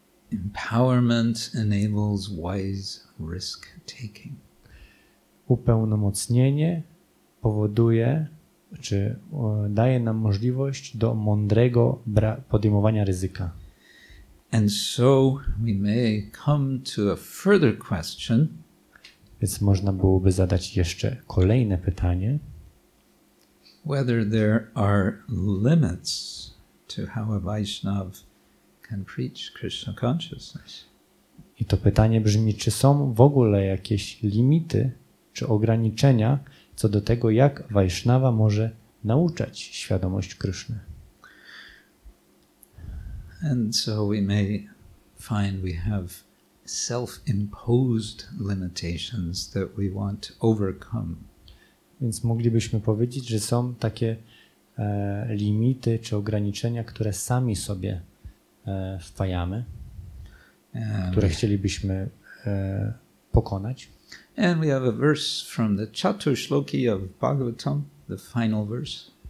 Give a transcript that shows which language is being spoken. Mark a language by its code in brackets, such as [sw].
[en] Empowerment enables wise risk taking. [pl] Upełnomocnienie powoduje, czy daje nam możliwość do mądrego podejmowania ryzyka. [en] And so we may come to a further question. [pl] Więc można byłoby zadać jeszcze kolejne pytanie. [en] Whether there are limits to how a Vaishnav can preach Krishna consciousness. [pl] I to pytanie brzmi, czy są w ogóle jakieś limity czy ograniczenia co do tego, jak Vaishnava może nauczać świadomość Kryszny. [en] And so we may find we have self-imposed limitations that we want to overcome. [pl] Więc moglibyśmy powiedzieć, że są takie limity czy ograniczenia, które sami sobie wpajamy, które chcielibyśmy pokonać. [en] And we have a verse from the Chatushloki of Bhagavatam, the final verse.